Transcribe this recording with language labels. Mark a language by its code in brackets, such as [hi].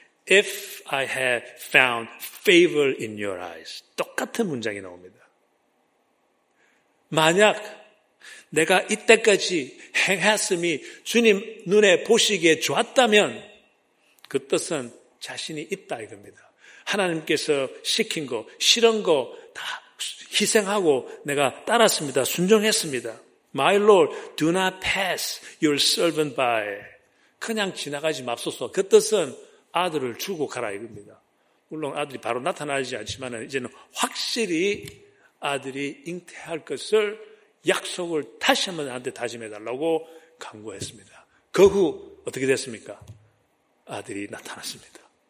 [en] If I have found favor in your eyes. [ko] 똑같은 문장이 나옵니다. 만약 내가 이때까지 행했음이 주님 눈에 보시기에 좋았다면 그 뜻은 자신이 있다 이겁니다. 하나님께서 시킨 거, 싫은 거 다 희생하고 내가 따랐습니다. 순종했습니다. [en] My Lord, do not pass your servant by. [ko] 그냥 지나가지 맙소서. 그 뜻은 아들을 주고 가라 이겁니다. 물론 아들이 바로 나타나지 않지만 이제는 확실히 아들이 잉태할 것을 약속을 다시 한번 나한테 다짐해달라고 간구했습니다. 그 후 어떻게 됐습니까? 아들이 나타났습니다.